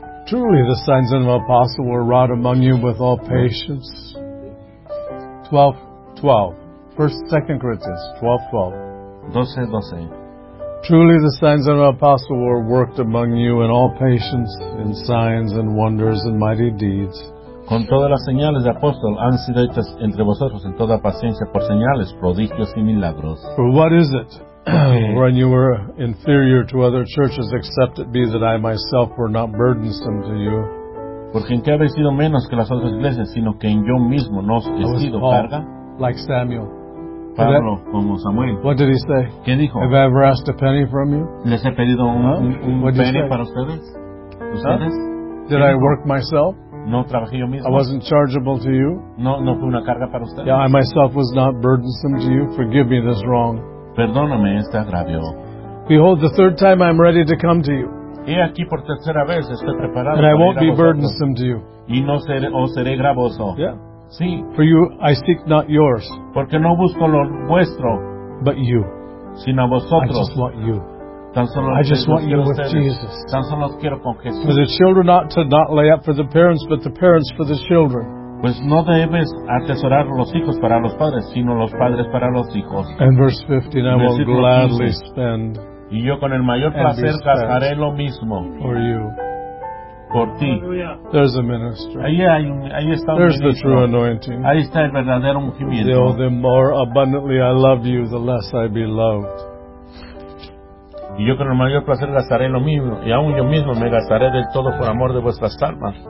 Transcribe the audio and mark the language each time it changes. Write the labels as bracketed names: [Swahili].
[English] Truly the signs of the apostle were wrought among you with all patience. 12, 12. Truly the signs of the apostle were worked among you in all patience, in signs and wonders and mighty deeds. [Spanish] Con todas las señales de apóstol han sido hechas entre vosotros en toda paciencia por señales, prodigios y milagros. [English] For what is it? When you were inferior to other churches, except it be that I myself were not burdensome to you. [Spanish] Porque en qué habéis sido menos que las otras iglesias, sino que en yo mismo no os he sido carga. [English] Like Samuel. [Spanish] Pablo, como Samuel. [English] What did he say? [Spanish] ¿Qué dijo? [English] Have I ever asked a penny from you? [Spanish] ¿Les he pedido un penny para ustedes? ¿Ustedes? [English] Did I work myself? [Spanish] No trabajé yo mismo. [English] I wasn't chargeable to you. No fue una carga para ustedes. Yeah, I myself was not burdensome to you. Forgive me this wrong. [Spanish] Perdóname este agravio. [English] Behold, the third time I am ready to come to you. [Spanish] He aquí por tercera vez estoy preparado. [English] And I won't be burdensome to you. [Spanish] Y no seré, o seré gravoso. [English] Yeah. [Spanish] Sí. [English] For you, I seek not yours. [Spanish] Porque no busco lo vuestro. [English] But you. [Spanish] Sino vosotros. [English] I just want you. [Spanish] Tan solo [English] I just want you with [Spanish] ustedes. [English] Jesus. [Spanish] Tan solo quiero con Jesús. [English] For the children ought to not lay up for the parents, but the parents for the children. [Spanish] Pues no debes atesorar los hijos para los padres, sino los padres para los hijos. [English] And verse 15, I will gladly spend. [Spanish] Y yo con el mayor placer gastaré lo mismo. [English] For you. [Spanish] Por ti. [English] There's a minister. [Spanish] Ahí está un [English] There's [Spanish] ministro. [English] The true anointing. [Spanish] Ahí está el verdadero ungimiento. [English] The more abundantly I love you, the less I be loved. [Spanish] Y yo con el mayor placer gastaré lo mismo, y aún yo mismo me gastaré del todo por amor de vuestras almas.